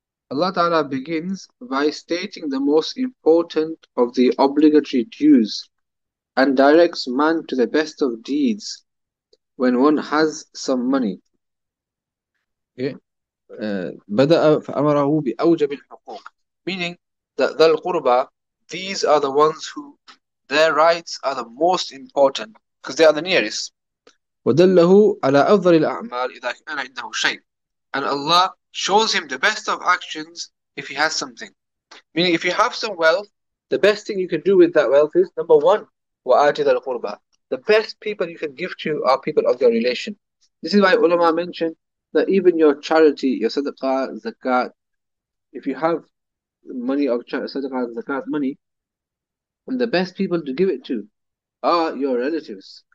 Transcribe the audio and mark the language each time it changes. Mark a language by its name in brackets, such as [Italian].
[English] Allah Ta'ala begins by stating the most important of the obligatory dues and directs man to the best of deeds when one has some money. Okay. [Arabic] بدأ فأمره بأوجب الحقوق, [English] meaning that ذا القربى, these are the ones who their rights are the most important because they are the nearest. [Arabic] ودله على أفضل الأعمال إذا كان عنده شيء. [English] And Allah shows him the best of actions if he has something. Meaning, if you have some wealth, the best thing you can do with that wealth is number one, [Arabic] وآتِ ذَا الْقُرْبَى. [English] The best people you can give to are people of your relation. This is why ulama mentioned that even your charity, your sadaqah, zakat, if you have money of sadaqah, zakat money, and the best people to give it to are your relatives.